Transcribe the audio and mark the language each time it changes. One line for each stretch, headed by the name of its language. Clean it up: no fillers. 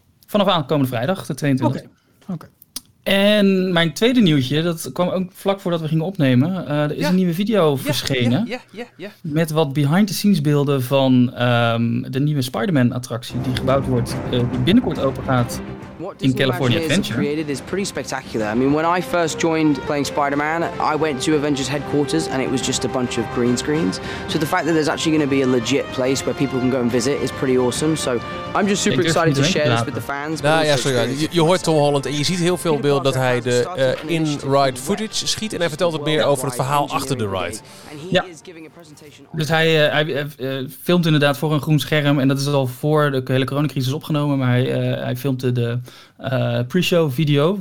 Dutch: Vanaf aankomende vrijdag, de 22e. Okay. En mijn tweede nieuwtje, dat kwam ook vlak voordat we gingen opnemen. Er is een nieuwe video verschenen. Ja. Met wat behind-the-scenes beelden van de nieuwe Spider-Man attractie. Die gebouwd wordt, die binnenkort open gaat
English: What Disney in California Imagineers Adventure created is pretty spectacular. I mean, when I first joined playing Spider-Man, I went to Avengers headquarters and it was just a bunch of green screens. So the fact that there's actually going to be a legit place where people can go and visit is pretty awesome. So I'm just super excited to share this with the fans.
Dutch: Nou ja, sorry. Je hoort Tom Holland en je ziet heel veel beelden dat hij de in-ride footage schiet. En hij vertelt ook meer over het verhaal achter de ride. Ja. Dus hij filmt inderdaad voor een groen scherm. En dat is al voor de hele coronacrisis opgenomen. Maar hij filmt de pre-show video.